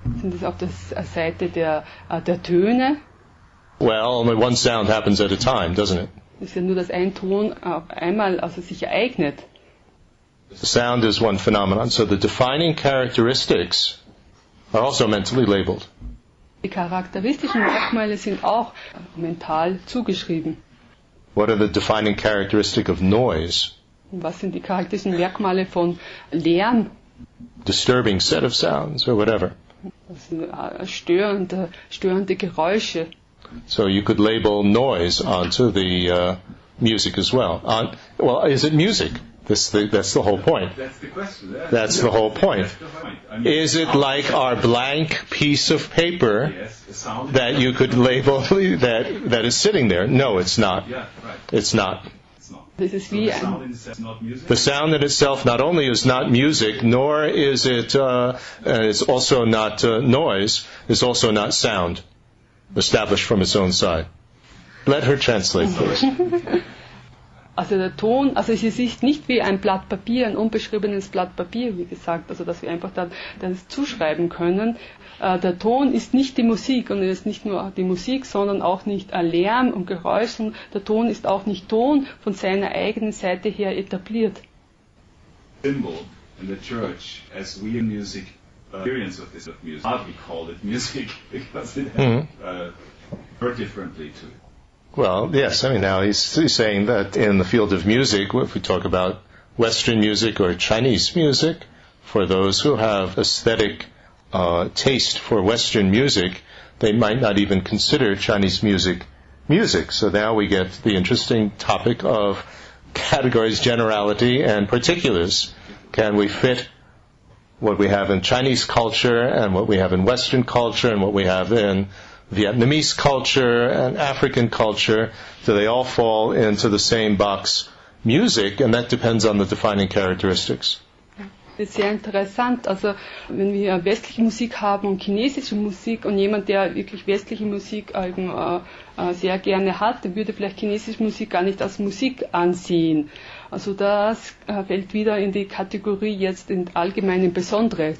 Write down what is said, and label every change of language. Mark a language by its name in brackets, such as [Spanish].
[German] Sind es auf der Seite der, der Töne? [English] Well, only one sound happens at a time, doesn't it? [German] Es ist ja nur, dass ein Ton auf einmal sich ereignet. [English] The sound is one phenomenon. So the defining characteristics are also mentally labeled. [German] Die charakteristischen Merkmale sind auch mental zugeschrieben. [English] What are the defining characteristic of noise? [German] Was sind die charakteristischen Merkmale von Lärm? [English] Disturbing set of sounds or whatever. [German] Störende Geräusche. [English] So you could label noise onto the music as well. Well, is it music? That's the whole point. That's the question. Yeah. That's the whole point. Is it like our blank piece of paper that you could label that is sitting there? No, it's not. It's not. This is the sound in itself, not music. The sound in itself not only is not music, nor is it it's also not noise. It's also not sound, established from its own side. Let her translate, please. [German] Also der Ton, also es ist nicht wie ein Blatt Papier, ein unbeschriebenes Blatt Papier, wie gesagt, also dass wir einfach dann das zuschreiben können. Der Ton ist nicht die Musik und es ist nicht nur die Musik, sondern auch nicht Lärm und Geräusch. Und der Ton ist auch nicht Ton von seiner eigenen Seite her etabliert. [English] Symbol in the church, as we in music experience of this music, hardly call it music, because it has very differently to it. Well, yes, I mean, now he's saying that in the field of music, if we talk about Western music or Chinese music, for those who have aesthetic taste for Western music, they might not even consider Chinese music music. So now we get the interesting topic of categories, generality, and particulars. Can we fit what we have in Chinese culture and what we have in Western culture and what we have in Vietnamese culture and African culture, do they all fall into the same box music? And that depends on the defining characteristics. [German] Das ist sehr interessant. Also, wenn wir westliche Musik haben und chinesische Musik und jemand, der wirklich westliche Musik sehr gerne hat, der würde vielleicht chinesische Musik gar nicht als Musik ansehen. Also das fällt wieder in die Kategorie jetzt in allgemeinen Besondere.